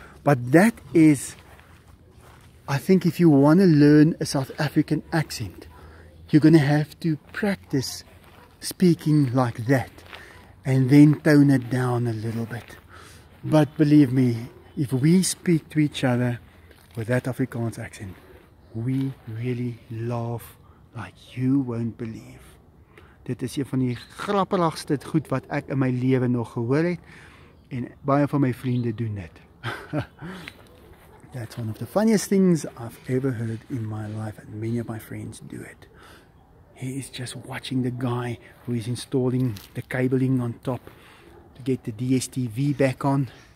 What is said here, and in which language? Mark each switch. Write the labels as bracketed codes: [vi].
[en] But that is, I think if you want to learn a South African accent, you're going to have to practice speaking like that. And then tone it down a little bit. But believe me, if we speak to each other with that Afrikaans accent, we really laugh like you won't believe. [af] Dit is een van die grappigste goed wat ek in my lewe nog gehoor het. En baie van my vriende doen dit. [en] That's one of the funniest things I've ever heard in my life. And many of my friends do it. He is just watching the guy who is installing the cabling on top to get the DSTV back on.